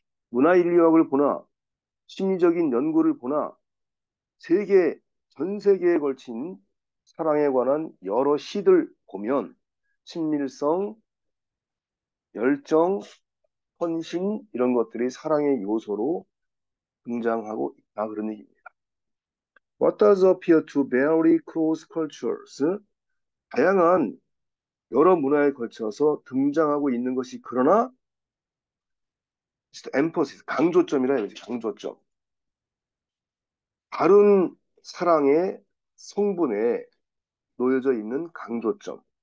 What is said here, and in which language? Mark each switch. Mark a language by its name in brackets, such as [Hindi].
[Korean] 문화 인류학을 보나 심리적인 연구를 보나 세계 전 세계에 걸친 사랑에 관한 여러 시들 보면 친밀성, 열정, 헌신 이런 것들이 사랑의 요소로 등장하고 있다 그런 얘기입니다. [English] What does appear to vary cross cultures? [Korean] 다양한 여러 문화에 걸쳐서 등장하고 있는 것이 그러나 emphasis, 강조점이라 해야 되지, 강조점. 다른 사랑의 성분에 놓여져 있는 강조점.